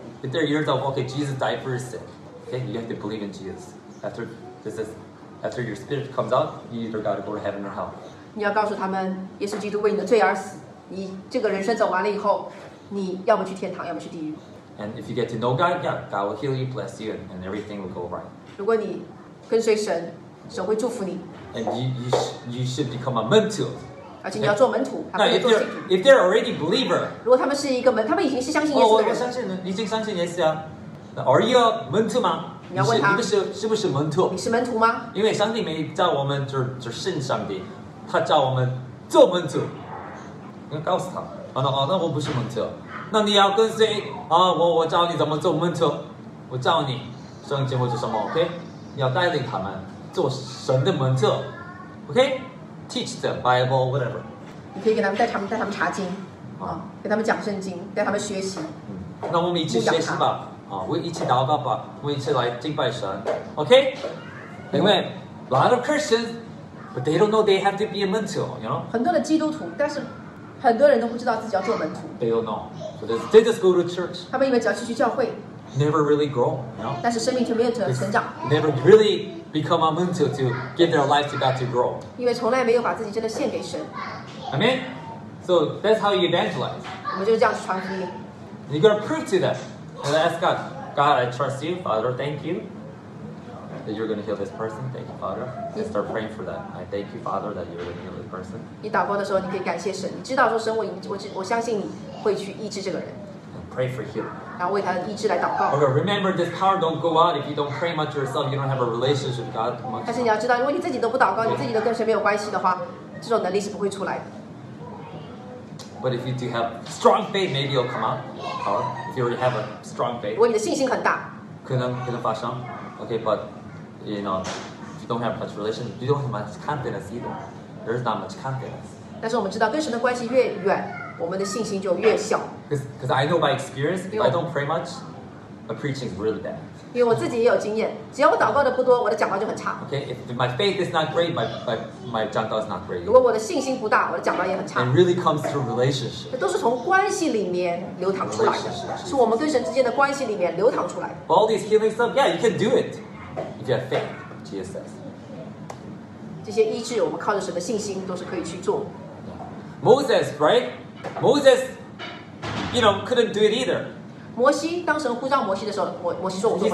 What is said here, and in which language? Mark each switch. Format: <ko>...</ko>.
<en>If their ears are okay, Jesus died for your sin. Okay, you have to believe in Jesus. After your spirit comes out, you either got to go to heaven or hell.</en> <zh>你要告诉他们，耶稣基督为你的罪而死。你这个人生走完了以后，你要么去天堂，要么去地狱。</zh> <en>And if you get to know God, yeah, God will heal you, bless you, and everything will go right.</en> <zh>如果你跟随神，神会祝福你。</zh> <en>And you should become a mentor.</en> <zh>而且你要做门徒，还可以做信徒。</zh> <en>Now, if they're already believer,</en> <zh>如果他们是一个门，他们已经是相信耶稣的人。我相信，已经相信耶稣了。</zh> <en>Are you a mentor 吗？</en> <zh>你要问他，你是不是 mentor？你是门徒吗？因为上帝没叫我们就信上帝，他叫我们做门徒。你告诉他，那我不是门徒。那你要跟谁啊？我教你怎么做门徒。我教你圣经或者什么 ，OK？你要带领他们。做神的门徒 ，OK?</zh> <en>Teach them Bible, whatever.</en> <zh>你可以给他们带他们查经，给他们讲圣经，带他们学习。那我们一起学习吧，我们一起祷告吧，我们一起来敬拜神 ，OK?</zh> <en>Anyway, a lot of Christians, but they don't know they have to be a mentor, you know?</en> <zh>很多的基督徒，但是很多人都不知道自己要做门徒。</zh> <en>They don't know. So they just go to church.</en> <zh>他们以为只要去教会。</zh> <en>Never really grow, you know.</en> <zh>但是生命却没有成长。</zh> <en>Never really become a 门徒 to give their life to God to grow.</en> <zh>因为从来没有把自己真的献给神。</zh> <en>Amen. So that's how you evangelize.</en> <zh>我们就是这样传福音。</zh> <en>You gotta prove to that. And ask God, God, I trust you, Father, thank you. That you're going to heal this person. Thank you, Father. I start praying for that. I thank you, Father, that you're going to heal this person.</en> <zh>你祷告的时候，你可以感谢神。你知道说神，我相信你会去医治这个人。</zh> <en>And pray for healing.</en> <zh>然后为他的医治来祷告。</zh> <en>Okay, remember this power don't go out if you don't pray much yourself. You don't have a relationship with God.</en> <zh>但是你要知道，如果你自己都不祷告，你自己都跟神没有关系的话，这种能力是不会出来的。</zh> <en>But if you do have strong faith, maybe it'll come out. Power. If you already have a strong faith.</en> <zh>如果你的信心很大，可能发生。</zh> <en>Okay, but. You know, you don't have much relation. You don't have much confidence either. There is not much confidence.</en> <zh>但是我们知道，跟神的关系越远，我们的信心就越小。</zh> <en>Because I know by experience, if I don't pray much, my preaching is really bad.</en> <zh>因为我自己也有经验，只要我祷告的不多，我的讲道就很差。</zh> <en>Okay, if my faith is not great, my 讲道 is not great.</en> <zh>如果我的信心不大，我的讲道也很差。</zh> <en>It really comes through relationship.</en> <zh>都是从关系里面流淌出来的，是我们跟神之间的关系里面流淌出来的。</zh> <en>All these healing stuff, yeah, you can do it. If you have faith, Jesus says.</en> <zh>这些医治，我们靠着神的信心，都是可以去做。</zh> <en>Moses, right? Moses, you know, couldn't do it either.</en> <zh>摩西当神呼召摩西的时候，摩西说：“我做不</zh>